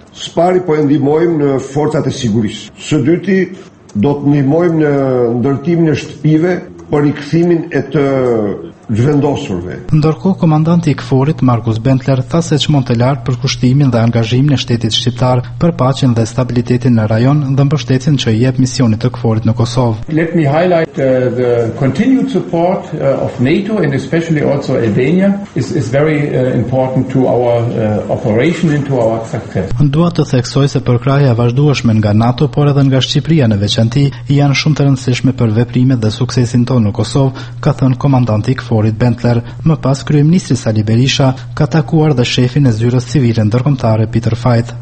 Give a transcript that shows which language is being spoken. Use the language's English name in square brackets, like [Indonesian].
[Albanian] Spari po e ndihmojmë në forcat e sigurisë. Së dyti do të ndihmojmë në ndërtimin e shtëpive për rikthimin e të zhvendosurve. Ndërkohë, komandanti i KFOR-it Markus Bentler tha se çmonë të lartë për kushtimin dhe angazhimin e shtetit shqiptar për paqen dhe stabilitetin në rajon dhe mbështetjen që i jep misionit të KFOR-it në Kosovë. [English] Let me highlight the continued support of NATO and especially also Albania is very important to our operation and to our success. [Albanian] Dua të theksoj se përkraja vazhdueshme nga NATO por edhe nga Shqipëria në veçanti janë shumë të rëndësishme për veprimet dhe suksesin tonë në Kosovë, ka thënë komandanti i KFOR-it Bentler. Më pas, kryeministri Sali Berisha ka takuar dhe shefin e zyrës civile ndërkombëtare Peter Fajt.